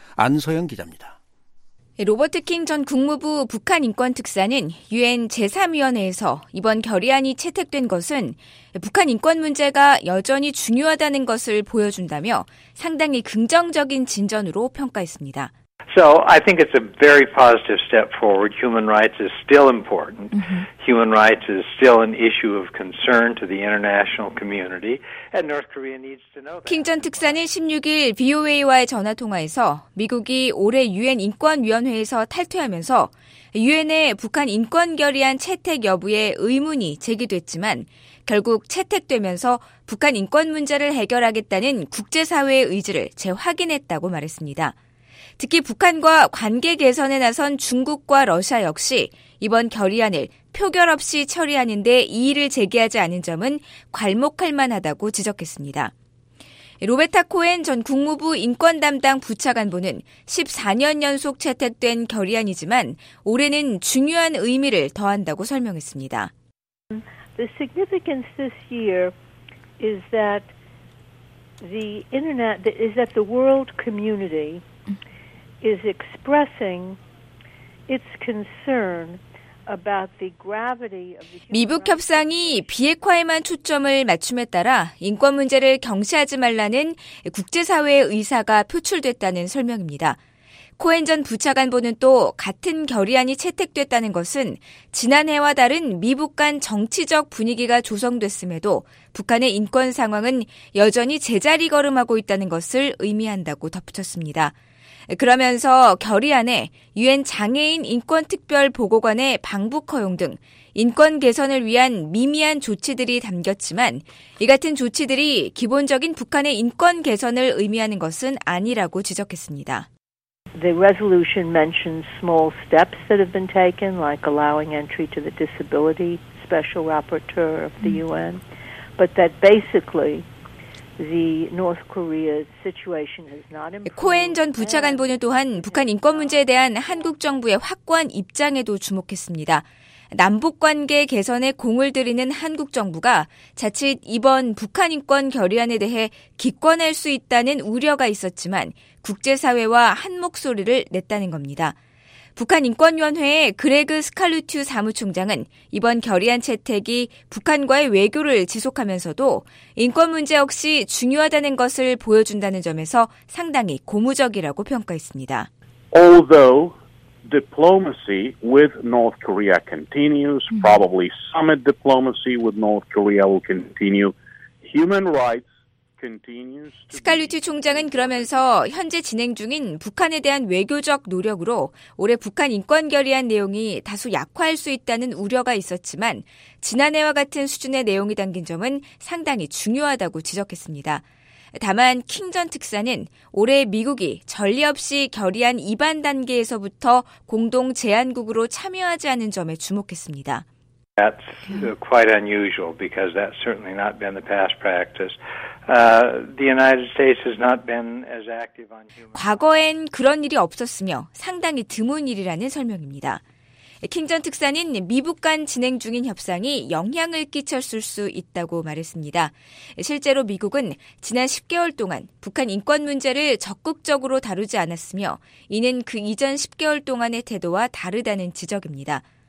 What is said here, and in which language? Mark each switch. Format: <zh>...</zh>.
<ko>안소영 기자입니다. 로버트 킹 전 국무부 북한인권특사는 유엔 제3위원회에서 이번 결의안이 채택된 것은 북한 인권 문제가 여전히 중요하다는 것을 보여준다며 상당히 긍정적인 진전으로 평가했습니다.</ko> <en>So I think it's a very positive step forward. Human rights is still important. Mm-hmm. Human rights is still an issue of concern to the international community, and North Korea needs to know that.</en> <ko>킹 전 특사는 16일 VOA와의 전화 통화에서 미국이 올해 유엔 인권위원회에서 탈퇴하면서 유엔의 북한 인권 결의안 채택 여부에 의문이 제기됐지만 결국 채택되면서 북한 인권 문제를 해결하겠다는 국제사회의 의지를 재확인했다고 말했습니다. 특히 북한과 관계 개선에 나선 중국과 러시아 역시 이번 결의안을 표결 없이 처리하는 데 이의를 제기하지 않은 점은 괄목할 만하다고 지적했습니다. 로베타 코엔 전 국무부 인권 담당 부차관보는 14년 연속 채택된 결의안이지만 올해는 중요한 의미를 더한다고 설명했습니다.</ko> <en>The significance this year is that the internet is that the world community is expressing its concern about the gravity of the</en> <ko>미북 협상이 비핵화에만 초점을 맞춤에 따라 인권 문제를 경시하지 말라는 국제사회의 의사가 표출됐다는 설명입니다. 코엔 전 부차관보는 또 같은 결의안이 채택됐다는 것은 지난해와 다른 미북 간 정치적 분위기가 조성됐음에도 북한의 인권 상황은 여전히 제자리 걸음하고 있다는 것을 의미한다고 덧붙였습니다. 그러면서 결의안에 유엔 장애인 인권특별보고관의 방북 허용 등 인권 개선을 위한 미미한 조치들이 담겼지만 이 같은 조치들이 기본적인 북한의 인권 개선을 의미하는 것은 아니라고 지적했습니다.</ko> <en>The resolution mentions small steps that have been taken, like allowing entry to the disability special rapporteur of the UN, but that basically the North Korea's situation has not improved.</en> <ko>코엔 전 부차관보는 또한 북한 인권 문제에 대한 한국 정부의 확고한 입장에도 주목했습니다. 남북관계 개선에 공을 들이는 한국 정부가 자칫 이번 북한 인권 결의안에 대해 기권할 수 있다는 우려가 있었지만 국제사회와 한 목소리를 냈다는 겁니다. 북한 인권위원회의 그레그 스칼루튜 사무총장은 이번 결의안 채택이 북한과의 외교를 지속하면서도 인권 문제 역시 중요하다는 것을 보여준다는 점에서 상당히 고무적이라고 평가했습니다.</ko> <en>Although diplomacy with North Korea continues, probably summit diplomacy with North Korea will continue. Human rights continues.</en> <ko>스칼루튜 총장은 그러면서 현재 진행 중인 북한에 대한 외교적 노력으로 올해 북한 인권 결의안 내용이 다소 약화할 수 있다는 우려가 있었지만 지난해와 같은 수준의 내용이 담긴 점은 상당히 중요하다고 지적했습니다. 다만 킹 전 특사는 올해 미국이 전례 없이 결의안 이반 단계에서부터 공동 제안국으로 참여하지 않은 점에 주목했습니다.</ko> <en>That's quite unusual because that's certainly not been the past practice. The United States has not been as active on human rights.</en> <ko>과거엔 그런 일이 없었으며 상당히 드문 일이라는 설명입니다. 킹 전 특사는 미북 간 진행 중인 협상이 영향을 끼쳤을 수 있다고 말했습니다. 실제로 미국은 지난 10개월 동안 북한 인권 문제를 적극적으로 다루지 않았으며 이는 그 이전 10개월 동안의 태도와 다르다는 지적입니다.</ko>